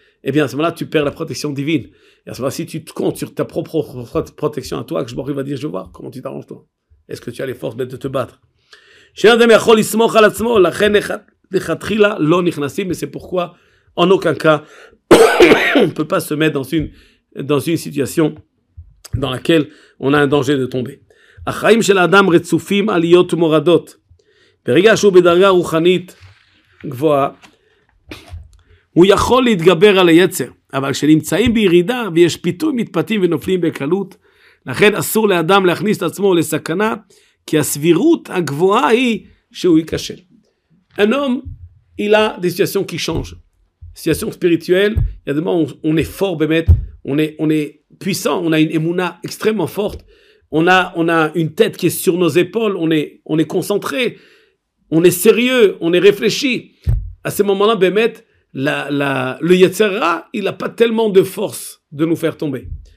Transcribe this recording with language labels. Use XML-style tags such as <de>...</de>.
<fr>eh bien, à ce moment-là, tu perds la protection divine. Et à ce moment-là, si tu te comptes sur ta propre protection à toi, que je m'arrive à dire, je vois comment tu t'arranges, toi. Est-ce que tu as les forces de te battre? Mais c'est pourquoi, en aucun cas, on ne peut pas se mettre dans une situation dans laquelle on a un danger de tomber.</fr> <he>החיים של האדם רצופים עליות ומורדות. ברגע שהוא בדרגה רוחנית גבוהה, הוא יכול להתגבר על היצר. אבל כשנמצאים בירידה ויש פיתוי מתפתים ונופלים בקלות, לכן אסור לאדם להכניס את עצמו לסכנה, כי הסבירות הגבוהה היא שהוא ייקשל.</he> <fr>Un homme, il a des situations qui changent. Situation spirituelle, il y a des moments où on est fort, באמת, on est puissant, on a une émouna extrêmement forte, on a une tête qui est sur nos épaules, on est concentré, on est sérieux, on est réfléchi. À ce moment-là, Bémet, le Yetzera, il n'a pas tellement de force de nous faire tomber.</fr>